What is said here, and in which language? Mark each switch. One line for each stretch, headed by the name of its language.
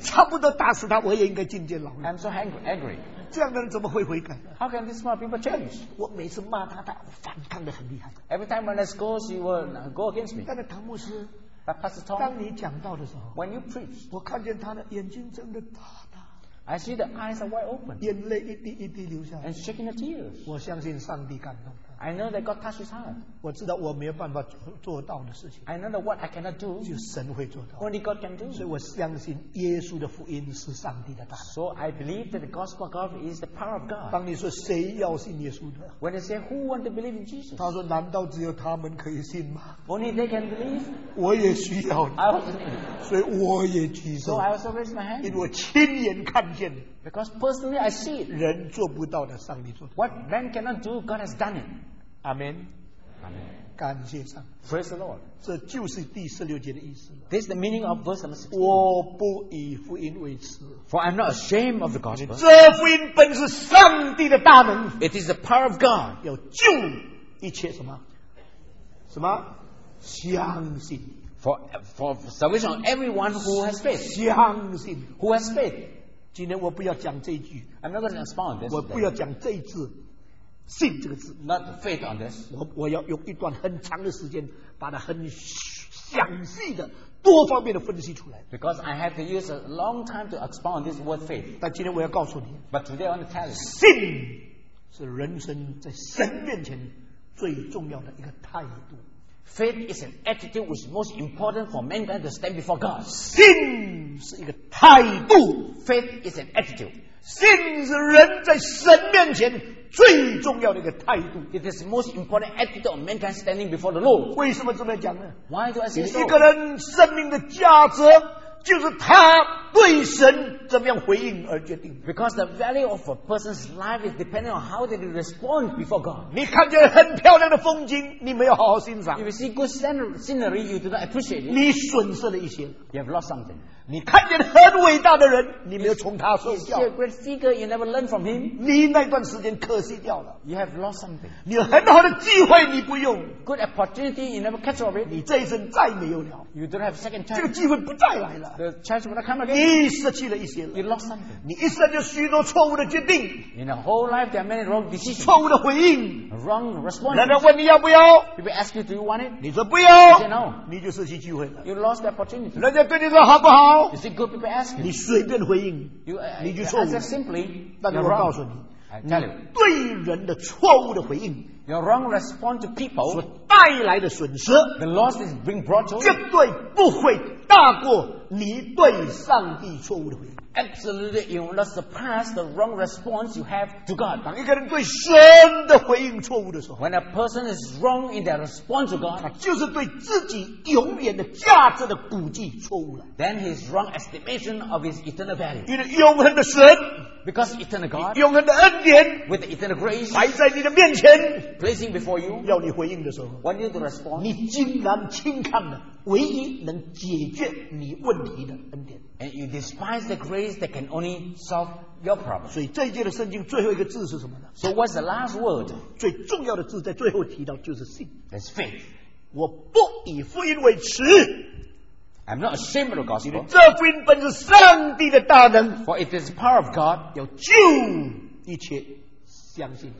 Chinese: 差不多打死他，我也应该进监牢。
English: I'm so angry.
Chinese: 这样的人怎么会悔改
English: ？How can this kind of people change?
Chinese: 我每次骂他，他反抗的很厉害。
English: Every time when I scold, she will go against me.
Chinese: 但是唐牧师。
English: But Pastor Tom,
Chinese: 当你讲道的时候
English: ，When you preach,
Chinese: 我看见他的眼睛睁得大。
English: I see the eyes are wide open.
Chinese: 眼泪一滴一滴流下来。
English: And shaking the tears.
Chinese: 我相信上帝感动他。
English: I know that God touched his heart.
Chinese: 我知道我没有办法做到的事情。
English: I know that what I cannot do.
Chinese: 就神会做到。
English: Only God can do.
Chinese: 所以我相信耶稣的福音是上帝的大能。
English: So I believe that the gospel of God is the power of God.
Chinese: 当你说谁要信耶稣的
English: ？When they say who want to believe in Jesus?
Chinese: 他说难道只有他们可以信吗
English: ？Only they can believe.
Chinese: 我也需要。
English: I also need.
Chinese: 所以我也举手。
English: So I also raise my hand.
Chinese: 因为我亲眼看。
English: Because personally, I see it.
Chinese: 人做不到的，上帝做到。
English: What man cannot do, God has done it. Amen. Amen.
Chinese: 感谢上帝。
English: Praise the Lord.
Chinese: 这就是第十六节的意思。
English: This is the meaning of verse 16.
Chinese: 我不以福音为耻。
English: For I'm not ashamed of the gospel.
Chinese: 这福音本是上帝的大能。
English: It is the power of God.
Chinese: 要救一切什么？什么？相信。
English: For salvation of everyone who has faith.
Chinese: 相信。
English: Who has faith?
Chinese: 今天我不要讲这一句
English: I'm not going to respond this
Chinese: 我不要讲这一字信这个字
English: Not faith on this
Chinese: 我要用一段很长的时间把它很详细的多方面的分析出来
English: Because I have to use a long time to expound this word faith
Chinese: 但今天我要告诉你
English: But today I want to tell you
Chinese: 信是人生在神面前最重要的一个态度
English: Faith is an attitude which is most important for mankind to stand before God
Chinese: 信是一个态度
English: Faith is an attitude
Chinese: 信是人在神面前最重要的一个态度
English: It is the most important attitude of mankind standing before the Lord
Chinese: 为什么这么讲呢
English: Why do I say so?
Chinese: 一个人生命的价值就是他对神怎么样回应而决定
English: Because the value of a person's life is dependent on how they respond before God
Chinese: 你看见很漂亮的风景你没有好好欣赏
English: If you see good scenery you do not appreciate it
Chinese: 你损失了一些
English: You have lost something
Chinese: 你看见很伟大的人你没有从他受教
English: You see a great figure you never learn from him
Chinese: 你那段时间可惜掉了
English: You have lost something
Chinese: 你有很好的机会你不用
English: Good opportunity you never catch of it
Chinese: 你这一生再没有了
English: You don't have second chance
Chinese: 这个机会不再来了
English: The chance will not come again
Chinese: 你失去了一些了
English: You lost something
Chinese: 你一生就许多错误的决定
English: In the whole life there are many wrong decisions
Chinese: 错误的回应
English: Wrong response
Chinese: 人家问你要不要
English: People ask you do you want it
Chinese: 你说不要
English: You say no
Chinese: 你就失去机会了
English: You lost the opportunity
Chinese: 人家对你说好不好
English: You see good people ask you
Chinese: 你随便回应
English: you,
Chinese: 你就错误
English: Answer simply
Chinese: 但是我告诉你
English: I tell you
Chinese: 对人的错误的回应
English: Your wrong response to people
Chinese: 所带来的损失
English: The loss is being brought to
Chinese: 绝对不会大过你对上帝错误的回应
English: Absolutely, you will not surpass the wrong response you have to God.
Chinese: 当一个人对神的回应错误的时候
English: When a person is wrong in their response to God,
Chinese: 他就是对自己永远的价值的估计错误了
English: Then his wrong estimation of his eternal value.
Chinese: 因为永恒的神
English: Because eternal God,
Chinese: 永恒的恩典
English: With the eternal grace,
Chinese: 摆在你的面前
English: Placing before you,
Chinese: 要你回应的时候
English: Want you to respond,
Chinese: 你竟然轻看了唯一能解决你问题的恩典
English: And you despise the grace that can only solve your problem
Chinese: 所以这一节的圣经最后一个字是什么呢
English: So what's the last word
Chinese: 最重要的字在最后提到就是信
English: That's faith
Chinese: 我不以福音为耻
English: I'm not ashamed of the gospel
Chinese: 这福音本是上帝的大能
English: For it is the power of God
Chinese: 要救一切相信